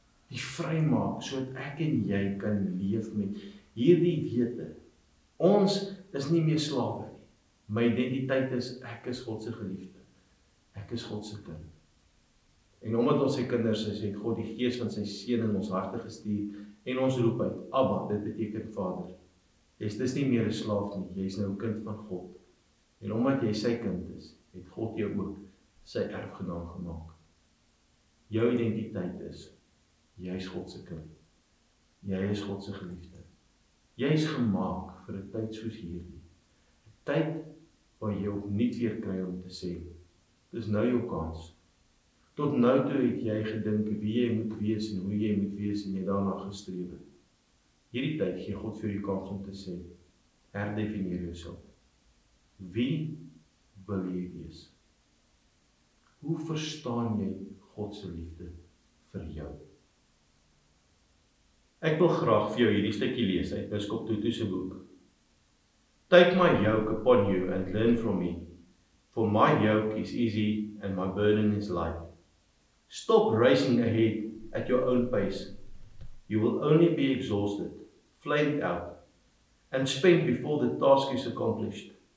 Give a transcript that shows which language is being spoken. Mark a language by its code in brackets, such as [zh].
[af] Die vrymaak, sodat ek en jy kan leef met hierdie wete, ons is nie meer slawe nie. My identiteit is, ek is God se geliefde, ek is God se kind. En omdat ons sy kinders is, het God die Gees van sy Seun in ons harte gestuur, en ons roep uit, Abba, dit beteken Vader. Jy is nie meer een slaaf nie, jy is nou kind van God. En omdat jy sy kind is, het God jou ook sy erfgenaam gemaak. Jou identiteit is, jy is God se kind. Jy is God se geliefde. Jy is gemaak vir 'n tyd soos hierdie. 'N tyd waar jy opnuut weer kry om te sê, dis nou jou kans. Tot nou toe het jy gedink wie jy moet wees en hoe jy moet wees en jy daarna gestreef het. Hierdie tyd gee God vir jou kans om te sê, herdefinieer jouself. Wie wil jy wees? Hoe verstaan jy God se liefde vir jou? Ek wil graag vir jou hierdie stukkie lees uit Biskop Tutu se boek. [en] Take my yoke upon you and learn from me, for my yoke is easy and my burden is light. Stop racing ahead at your own pace. You will only be exhausted, flamed out, and spent before the task is accomplished.